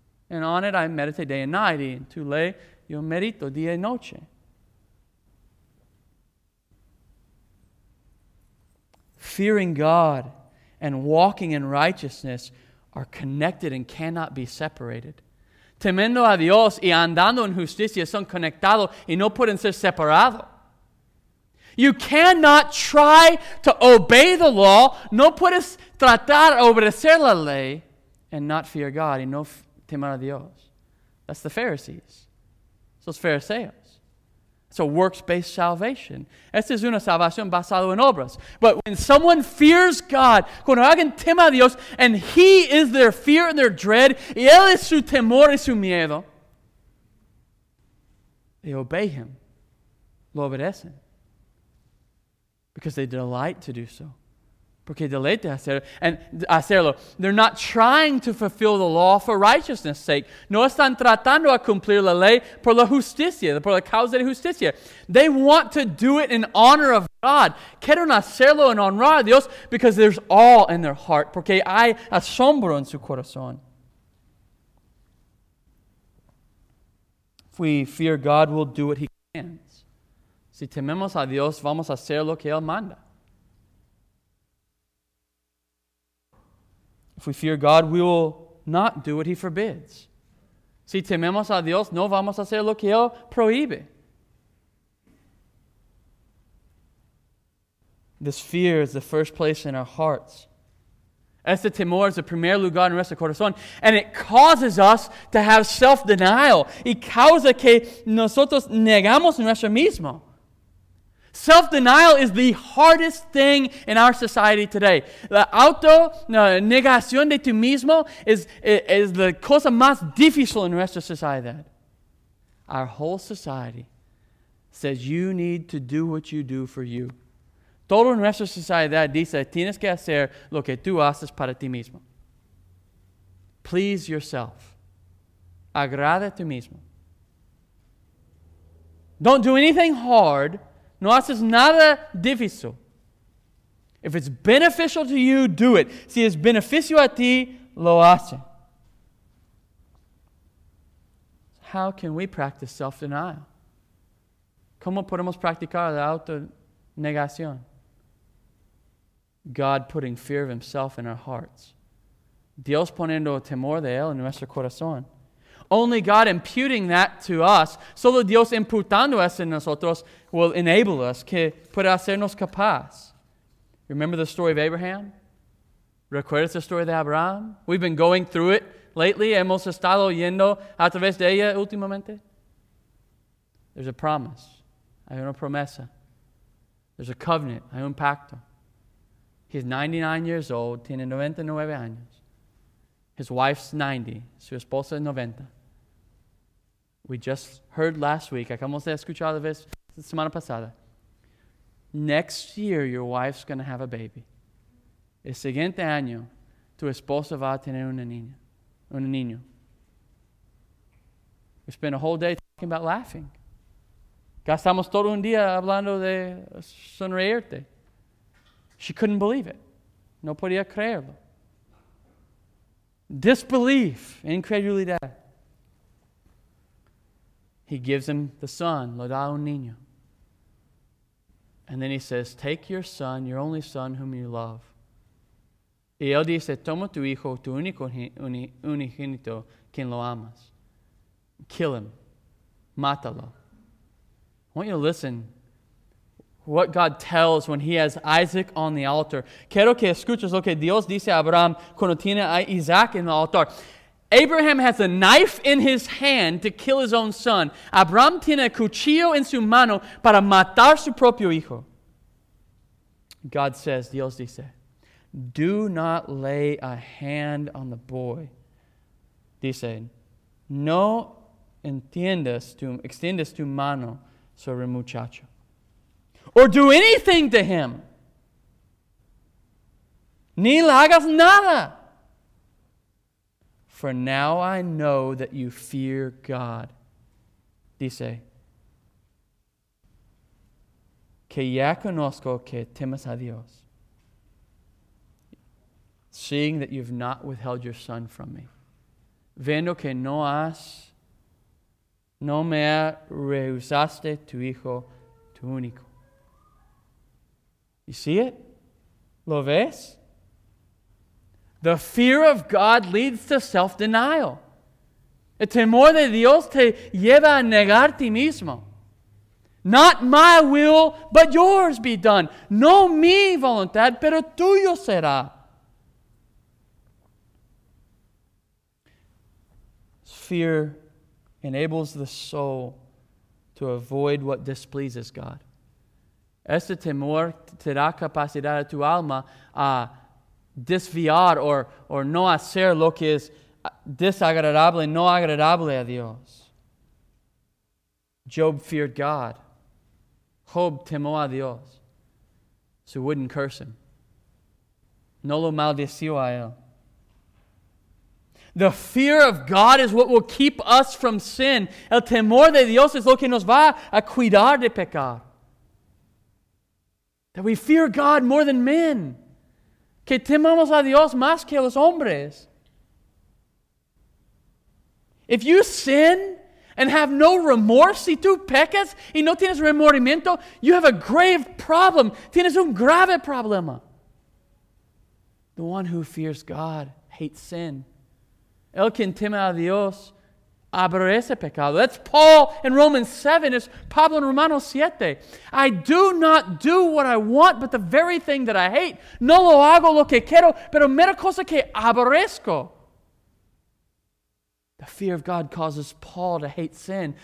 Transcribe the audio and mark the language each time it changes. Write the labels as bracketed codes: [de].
[en] And on it I meditate day and night, [es] y tu ley yo medito día y noche. [en] Fearing God and walking in righteousness are connected and cannot be separated. [es] Temiendo a Dios y andando en justicia son conectados y no pueden ser separados. [en] You cannot try to obey the law, [es] no puedes tratar de obedecer la ley, [en] and not fear God [es] y no temer a Dios. [en] That's the Pharisees. Those Pharisees. It's a works-based salvation. [es] Esta es una salvación basada en obras. [en] But when someone fears God, [es] cuando alguien teme a Dios, [en] and he is their fear and their dread, [es] y él es su temor y su miedo, [en] they obey him. [es] Lo obedecen. [en] Because they delight to do so. [es] Porque deleite hacerlo. [en] They're not trying to fulfill the law for righteousness' sake. [es] No están tratando a cumplir la ley por la justicia, por la causa de justicia. [en] They want to do it in honor of God. [es] Quieren hacerlo en honrar a Dios [en] because there's awe in their heart. [es] Porque hay asombro en su corazón. [en] If we fear God, we'll do what he commands. [es] Si tememos a Dios, vamos a hacer lo que él manda. [en] If we fear God, we will not do what he forbids. [es] Si tememos a Dios, no vamos a hacer lo que él prohíbe. [en] This fear is the first place in our hearts. [es] Este temor es el primer lugar en nuestro corazón. [en] And it causes us to have self-denial. [es] Y causa que nosotros negamos nuestro mismo. [en] Self-denial is the hardest thing in our society today. [es] La auto-negación de tu mismo is la cosa más difícil en nuestra sociedad. [en] Our whole society says you need to do what you do for you. [es] Todo en nuestra sociedad dice, tienes que hacer lo que tú haces para ti mismo. [en] Please yourself. [es] Agrada a ti mismo. [en] Don't do anything hard. [es] No haces nada difícil. [en] If it's beneficial to you, do it. [es] Si es beneficio a ti, lo hace. [en] How can we practice self-denial? [es] ¿Cómo podemos practicar la autonegación? [en] God putting fear of himself in our hearts. [es] Dios poniendo temor de él en nuestro corazón. [en] Only God imputing that to us, [es] solo Dios imputando eso en nosotros, [en] will enable us, [es] que pueda hacernos capaz. [en] Remember the story of Abraham? [es] ¿Recuerdas la historia de Abraham? [en] We've been going through it lately. [es] Hemos estado yendo a través de ella últimamente. [en] There's a promise. [es] Hay una promesa. [en] There's a covenant. [es] Hay un pacto. [en] He's 99 years old, [es] tiene 99 años. [en] His wife's 90, [es] su esposa es 90. [en] We just heard last week, [es] acabamos de escuchar la vez la semana pasada. [en] Next year, your wife's going to have a baby. [es] El siguiente año, tu esposa va a tener una niña, un niño. [en] We spent a whole day talking about laughing. [es] Gastamos todo un día hablando de sonreírte. [en] She couldn't believe it. [es] No podía creerlo. [en] Disbelief, incredulidad. He gives him the son, [es] lo da un niño. [en] And then he says, take your son, your only son whom you love. [es] Y él dice, toma tu hijo, tu único unigénito, quien lo amas. [en] Kill him. Mátalo. I want you to listen. What God tells when he has Isaac on the altar. [es] Quiero que escuches lo que Dios dice a Abraham cuando tiene a Isaac en el altar. [en] Abraham has a knife in his hand to kill his own son. [es] Abraham tiene el cuchillo en su mano para matar su propio hijo. [en] God says, [es] Dios dice, [en] do not lay a hand on the boy. [es] Dice, no extiendas tu mano sobre el muchacho. [en] Or do anything to him. [es] Ni le hagas nada. [en] For now I know that you fear God. [es] Dice, que ya conozco que temes a Dios. [en] Seeing that you've not withheld your son from me. [es] Viendo que no me rehusaste tu hijo, tu único. [en] You see it? [es] ¿Lo ves? [en] The fear of God leads to self-denial. [es] El temor de Dios te lleva a negar ti mismo. [en] Not my will, but yours be done. [es] No mi voluntad, pero tuyo será. [en] Fear enables the soul to avoid what displeases God. [es] Este temor te da capacidad a tu alma a desviar o no hacer lo que es desagradable, no agradable a Dios. [en] Job feared God. [es] Job temó a Dios. [en] So wouldn't curse him. [es] No lo maldició a él. [en] The fear of God is what will keep us from sin. [es] El temor de Dios es lo que nos va a cuidar de pecar. [en] That we fear God more than men. [es] Que temamos a Dios más que los hombres. [en] If you sin and have no remorse, [es] si tú pecas y no tienes remordimiento, [en] you have a grave problem. [es] Tienes un grave problema. [en] The one who fears God hates sin. [es] El quien teme a Dios aborrece pecado. [en] That's Paul in Romans 7. It's Pablo in Romanos 7. I do not do what I want, but the very thing that I hate. [es] No lo hago lo que quiero, pero mera cosa que aborrezco. [en] The fear of God causes Paul to hate sin.